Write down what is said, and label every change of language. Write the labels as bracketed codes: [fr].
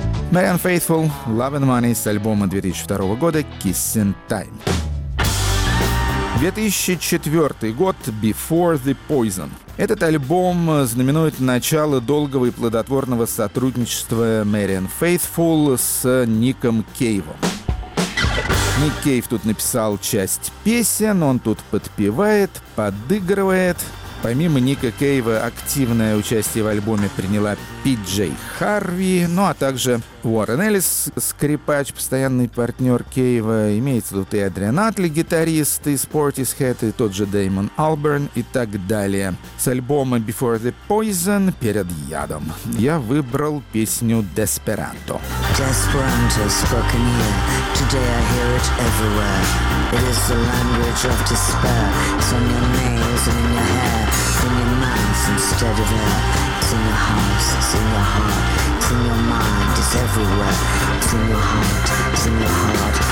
[ru] Мэриан Фейтфул, Love and Money с альбома 2002 года Kissing Time. 2004 год, Before the Poison. Этот альбом знаменует начало долгого и плодотворного сотрудничества Мэриан Фейтфул с Ником Кейвом. Ник Кейв тут написал часть песен, он тут подпевает, подыгрывает. Помимо Ника Кейва, активное участие в альбоме приняла Пи-Джей Харви, ну а также Уоррен Эллис, скрипач, постоянный партнер Кейва. Имеется тут и Адриан Атли, гитарист из Portishead, и тот же Дэймон Алберн и так далее. С альбома Before the Poison, Перед ядом, я выбрал песню Desperanto. [en] Desperanto spoken here, today I hear it everywhere. It is the language of despair, it's on your nails and in your hair. In your mouth instead of air. It's in your house, it's in your heart. It's in your mind, it's everywhere. It's in your heart, it's in your heart.